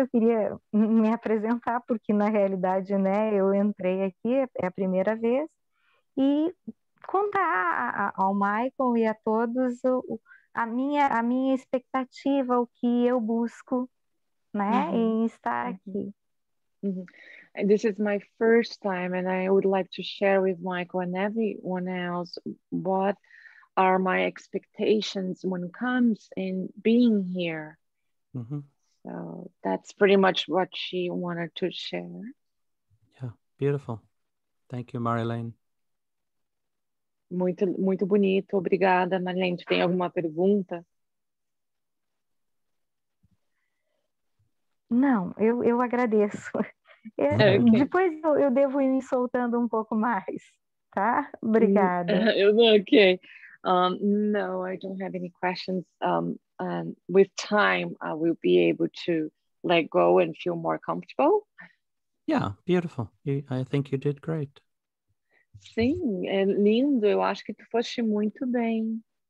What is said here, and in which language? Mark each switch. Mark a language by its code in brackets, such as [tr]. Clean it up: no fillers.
[pt] Eu queria me apresentar, porque na realidade, né, eu entrei aqui, é a primeira vez, e contar ao Michael e a todos a minha expectativa, o que eu busco, né, em estar aqui. Uhum. [en] And this is my first time, and I would like to share with Michael and everyone else what are my expectations when it comes in being here. Mm-hmm. So that's pretty much what she wanted to share. Yeah, beautiful. Thank you, Marilene. [pt] Muito, muito bonito. Obrigada, Marilene. Tu tem alguma pergunta? Não, eu agradeço. É, okay. Depois eu devo ir me soltando um pouco mais, tá? Obrigada. [en] Okay. No, I don't have any questions. And with time, I will be able to let go and feel more comfortable. Yeah, beautiful. I think you did great. [pt] Sim, é lindo. Eu acho que tu foste muito bem.